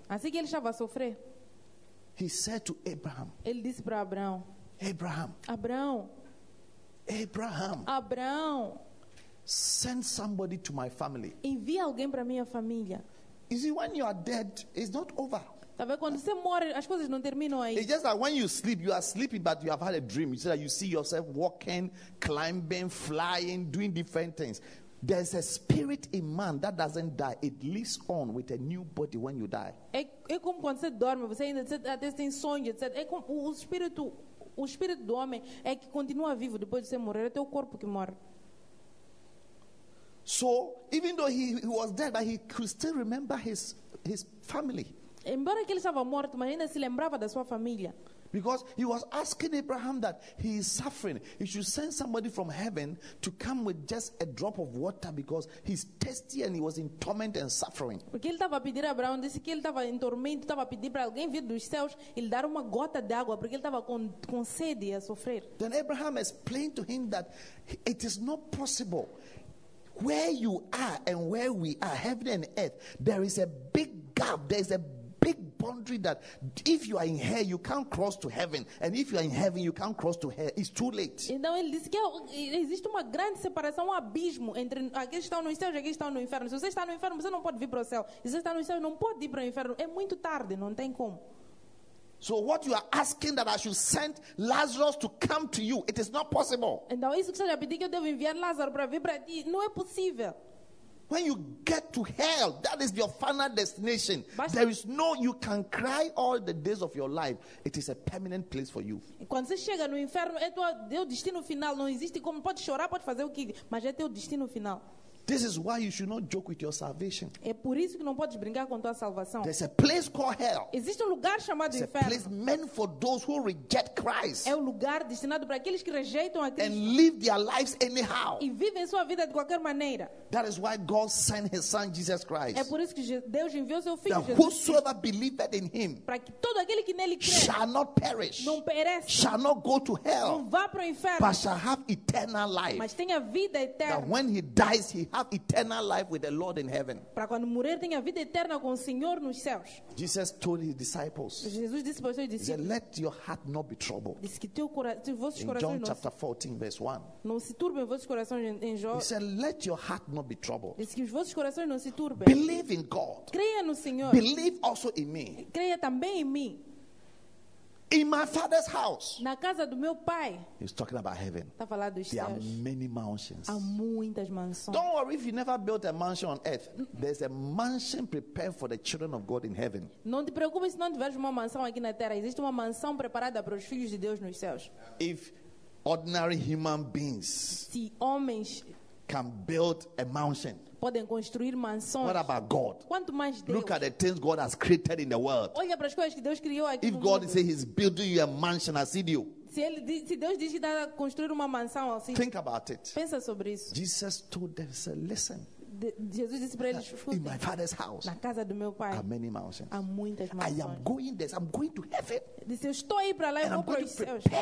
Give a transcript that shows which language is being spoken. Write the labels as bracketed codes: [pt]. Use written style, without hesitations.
[pt] assim que ele estava a sofrer, [en] he said to Abraham, [pt] ele disse para Abraão, [en] Abraham, [pt] Abraão, [en] Abraham, [pt] Abraão, [en] send somebody to my family. [pt] Envie alguém para minha família. [en] Is it when you are dead, it's not over. [pt] Sabe, quando você morre, as coisas não terminam aí. [en] It's just like when you sleep, you are sleeping, but you have had a dream. You see that you see yourself walking, climbing, flying, doing different things. There's a spirit in man that doesn't die. It lives on with a new body when you die. [pt] É como quando você dorme, você ainda tem sonho, etc. É como o espírito do homem é que continua vivo depois de você morrer. É teu corpo que morre. [en] So, even though he was dead, but he could still remember his family. [pt] Embora que ele estava morto, mas ainda se lembrava da sua família. [en] Because he was asking Abraham that he is suffering. He should send somebody from heaven to come with just a drop of water because he's thirsty and he was in torment and suffering. [pt] Porque ele estava a pedir a Abraão, disse que ele estava em tormento, estava a pedir para alguém vir dos céus e lhe dar uma gota de água, porque ele estava com sede a sofrer. [en] Then Abraham explained to him that it is not possible. Where you are and where we are, heaven and earth, there is a big gap, there is a big boundary that if you are in hell, you can't cross to heaven. And if you are in heaven, you can't cross to hell. It's too late. [pt] Então ele disse que existe uma grande separação, um abismo entre aqueles que estão no céu e aqueles que estão no inferno. Se você está no inferno, você não pode vir para o céu. Se você está no céu, não pode ir para o inferno. É muito tarde, não tem como. [en] So what you are asking that I should send Lazarus to come to you, it is not possible. [pt] Então isso que você está pedindo, que eu devo enviar Lázaro para vir para ti, não é possível. [en] When you get to hell, that is your final destination. Basta. There is no, you can cry all the days of your life. It is a permanent place for you. [pt] Quando você chega no inferno, é teu destino final. Não existe como, pode chorar, pode fazer o que, mas é teu destino final. [en] This is why you should not joke with your salvation. [pt] É por isso que não podes brincar com tua salvação. [en] There's a place called hell. [pt] Existe um lugar chamado [en] There's [pt] inferno. [en] A place meant for those who reject Christ. [pt] É o lugar destinado para aqueles que rejeitam a Cristo. [en] And live their lives anyhow. [pt] E vivem sua vida de qualquer maneira. [en] That is why God sent His Son Jesus Christ. [pt] É por isso que Deus enviou seu filho [en] that [pt] Jesus. [en] Whosoever believeth in Him, [pt] para que todo aquele que nele crê, [en] shall not perish. [pt] Não perece. [en] Shall not go to hell. [pt] Não vá para o inferno. [en] But shall have eternal life. [pt] Mas tenha vida eterna. [en] That when he dies, he have eternal life with the Lord in heaven. [pt] Para quando morrer tenha vida eterna com o Senhor nos céus. [en] Jesus told his disciples. [pt] Jesus disse para os seus discípulos. [en] Let your heart not be troubled. [pt] Disse que teu coração, teu vosso coração. [en] John chapter 14 verse 1. [pt] Não se turbe vosso coração em Jó. [en] He said, let your heart not be troubled. [pt] Disse que os vossos corações não se turbem. [en] Believe in God. [pt] Creia no Senhor. [en] Believe also in me. [pt] Creia também em mim. [en] In my father's house. [pt] Na casa do meu pai. [en] He's talking about heaven. [pt] Tá falando dos céus. [en] There are many mansions. [pt] Há muitas mansões. [en] Don't worry if you never built a mansion on earth. There's a mansion prepared for the children of God in heaven. [pt] Não te preocupes se não tiveres uma mansão aqui na terra. Existe uma mansão preparada para os filhos de Deus nos céus. [en] If ordinary human beings. [pt] Se homens [en] can build a mansion. [pt] Podem construir mansões. [en] What about God? [pt] Quanto mais Deus? [en] Look at the things God has created in the world. [pt] Olha para as coisas que Deus criou aqui. [en] If [pt] no [en] God [pt] mundo. [en] Says He's building you a mansion, I see you. [pt] Se Deus diz que está a construir uma mansão, assim. [en] Think about it. [pt] Pensa sobre isso. [en] Jesus told them, said, listen. [pt] Jesus disse para eles, [en] in my father's house, [pt] na casa do meu pai, [en] há many mansions. [pt] Há muitas mansões. [en] I am going there. I'm going to heaven. [pt] Disse, eu estou aí para lá e vou para os céus.